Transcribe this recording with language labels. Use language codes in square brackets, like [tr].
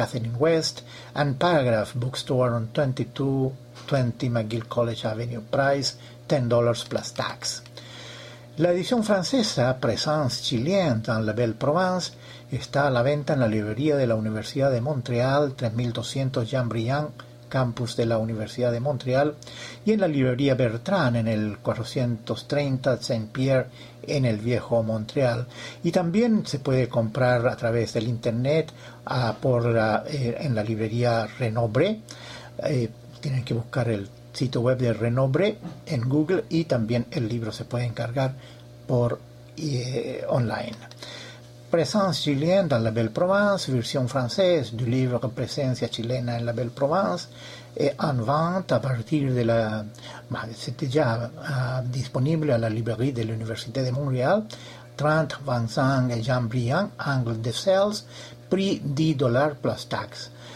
[en] Catherine West, and Paragraph Bookstore on 2220 McGill College Avenue. Price $10 plus tax. [es] La edición francesa Presence Chilienne en La Belle Provence está a la venta en la librería de la Universidad de Montreal, 3200 Jean Briand, campus de la Universidad de Montreal, y en la librería Bertrand, en el 430 Saint-Pierre, en el viejo Montreal. Y también se puede comprar a través del internet en la librería Renobre. Tienen que buscar el sitio web de Renobre en Google, y también el libro se puede encargar por online. [fr] Présence chilienne dans la Belle Provence, version française du livre Présence chilienne en la Belle Provence, est en vente à partir de la. C'était déjà disponible à la librairie de l'Université de Montréal, 30 25 Jean Briand, angle de Sales, prix $10 plus tax.